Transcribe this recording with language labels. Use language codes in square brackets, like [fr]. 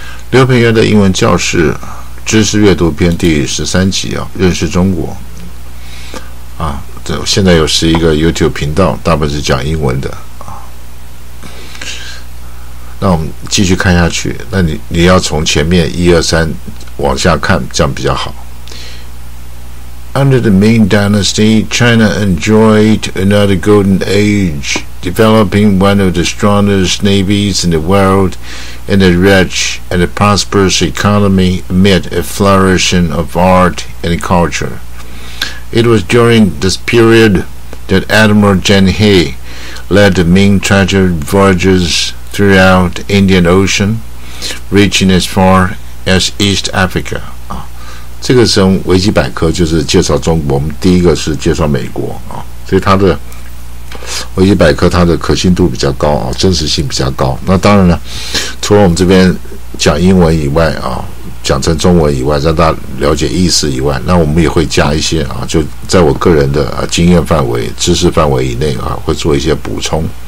[zh] 刘培元的英文教室知识阅读篇第13集啊，认识中国啊，这现在又是一个 YouTube 频道，大部分是讲英文的啊。那我们继续看下去，那你要从前面1、2、3往下看，这样比较好。 [en] Under the Ming Dynasty, China enjoyed another golden age, developing one of the strongest navies in the world and a rich and a prosperous economy amid a flourishing of art and culture. It was during this period that Admiral Zheng He led the Ming treasure voyages throughout the Indian Ocean, reaching as far as East Africa. [zh] 这个是维基百科，就是介绍中国。我们第一个是介绍美国啊，所以它的维基百科它的可信度比较高啊，真实性比较高。那当然了，除了我们这边讲英文以外啊，讲成中文以外，让大家了解意思以外，那我们也会加一些啊，就在我个人的啊经验范围、知识范围以内啊，会做一些补充。